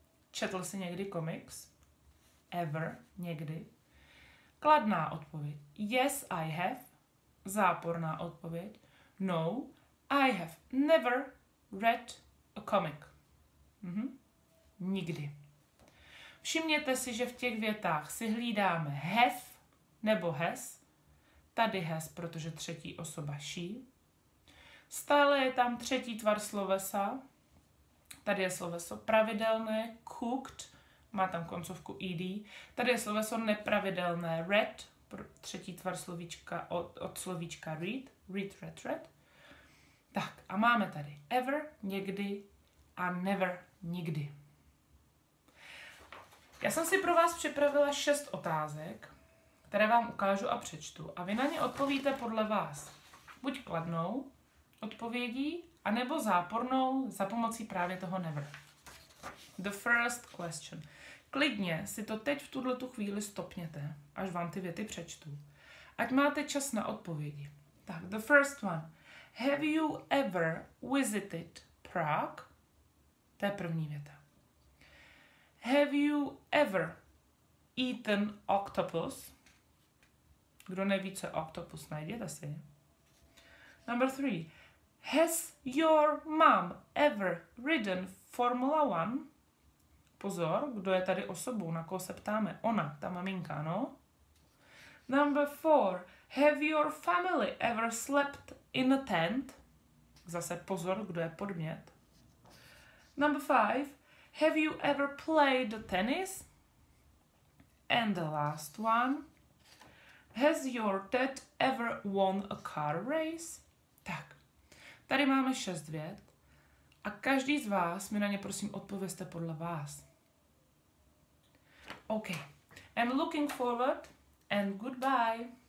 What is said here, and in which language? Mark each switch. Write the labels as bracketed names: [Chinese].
[Czech] Četl jsi někdy comics? Ever, někdy. Kladná odpověď. [English] Yes, I have. [Czech] Záporná odpověď. [English] No, I have never read a comic. [Czech] Nikdy. Všimněte si, že v těch větách si hlídáme have nebo has. Tady has, protože třetí osoba she. Stále je tam třetí tvar slovesa. Tady je sloveso pravidelné, cooked, má tam koncovku ed. Tady je sloveso nepravidelné, read, třetí tvar slovíčka od slovíčka read, read, read, read. Tak a máme tady ever, někdy a never, nikdy. Já jsem si pro vás připravila 6 otázek, které vám ukážu a přečtu. A vy na ně odpovíte podle vás buď kladnou odpovědí, anebo zápornou za pomocí právě toho never. [English] The first question. [Czech] Klidně si to teď v tuto chvíli stopněte, až vám ty věty přečtu. Ať máte čas na odpovědi. Tak, [English] the first one. Have you ever visited Prague? [Czech] To je první věta. [English] Have you ever eaten octopus? [Czech] Kdo neví, co je octopus, najděte si. [English] Number three. Has your mom ever ridden Formula One? [Czech] Pozor, kdo je tady osobou, na koho se ptáme? Ona, ta maminka, no? [English] Number four. Have your family ever slept in a tent? [Czech] Zase pozor, kdo je podmět. [English] Number five. Have you ever played tennis? And the last one. Has your dad ever won a car race? [Czech] Tak, tady máme 6 vět. A každý z vás mi na ně prosím odpověste podle vás. [English] Okay. I'm looking forward and goodbye.